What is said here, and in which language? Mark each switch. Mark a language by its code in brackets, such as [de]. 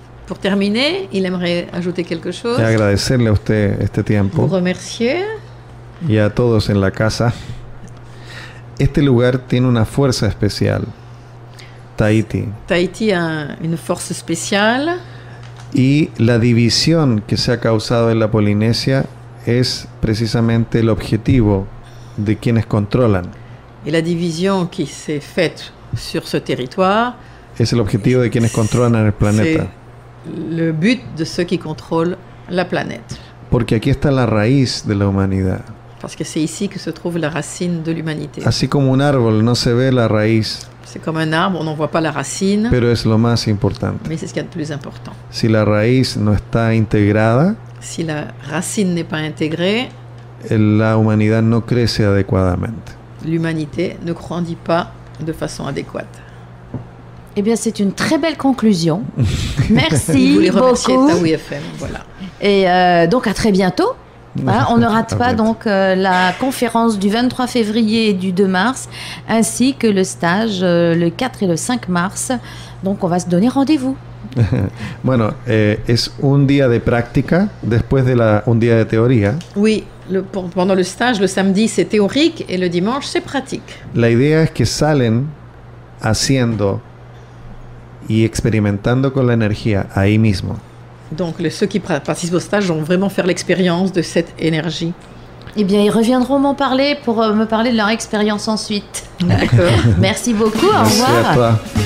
[fr] Pour terminer, il aimerait ajouter quelque chose. [es] Et agradecerle a usted este tiempo. [fr] Vous remercier. [es] Y a todos en la casa. Este lugar tiene una fuerza especial. Tahiti. [fr] Tahiti a une force spéciale. [es] Y la división que se ha causado en la Polinesia es precisamente el objetivo de quienes controlan. [fr] Et la division qui s'est faite sur ce territoire. [es] Es el objetivo de quienes controlan el planeta. [fr] Le but de ceux qui contrôlent la planète. [es] Porque aquí está la raíz de la humanidad. [fr] Parce que c'est ici que se trouve la racine de l'humanité. [es] Así como un árbol, no se ve la raíz. [fr] C'est comme un arbre, on n'en voit pas la racine. [es] Pero es lo más importante. [fr] Mais c'est ce qu'il y a de plus important. [es] Si la raíz no está integrada, [fr] si la racine n'est pas intégrée, [es] la humanidad no crece adecuadamente. [fr] L'humanité ne grandit pas de façon adéquate. Eh bien, c'est une très belle conclusion. Merci beaucoup. voulez remercier Tahu FM, voilà. Et donc, à très bientôt. Voilà, on ne rate pas donc la conférence du 23 février et du 2 mars, ainsi que le stage le 4 et le 5 mars. Donc, on va se donner rendez-vous. [es] Bueno, es un día de práctica después de un día de teoría. [fr] Oui, pendant le stage, le samedi c'est théorique et le dimanche c'est pratique. [es] La idea es que salen haciendo y experimentando con la energía ahí mismo. [fr] Donc ceux qui participent au stage vont vraiment faire l'expérience de cette énergie. Eh bien, ils reviendront m'en parler pour me parler de leur expérience ensuite. D'accord. Merci beaucoup, au revoir.